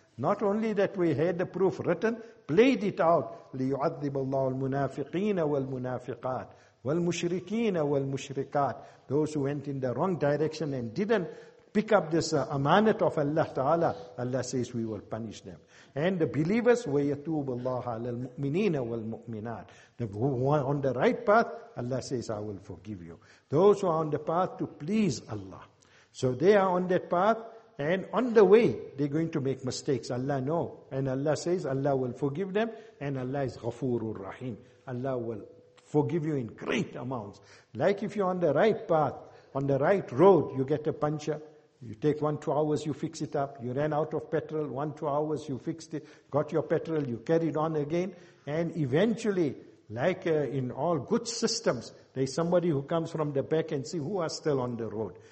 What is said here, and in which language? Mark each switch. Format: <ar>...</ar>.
<en>Not only that we had the proof written, played it out.</en> <ar>لِيُعَذِّبَ اللَّهُ الْمُنَافِقِينَ وَالْمُنَافِقَاتِ وَالْمُشْرِكِينَ وَالْمُشْرِكَاتِ.</ar> <en>Those who went in the wrong direction and didn't pick up this amanat of Allah Ta'ala, Allah says we will punish them. And the believers,</en> <ar>وَيَتُوبَ اللَّهَ عَلَى الْمُؤْمِنِينَ وَالْمُؤْمِنَاتِ.</ar> <en>On the right path, Allah says, I will forgive you. Those who are on the path to please Allah. So they are on that path, and on the way, they're going to make mistakes. Allah know. And Allah says, Allah will forgive them, and Allah is غَفُورُ Rahim. Allah will forgive you in great amounts. Like if you're on the right path, on the right road, you get a puncture, you take 1-2 hours, you fix it up, you ran out of petrol, 1-2 hours, you fixed it, got your petrol, you carried on again, and eventually, like in all good systems, there's somebody who comes from the back and see who are still on the road.</en>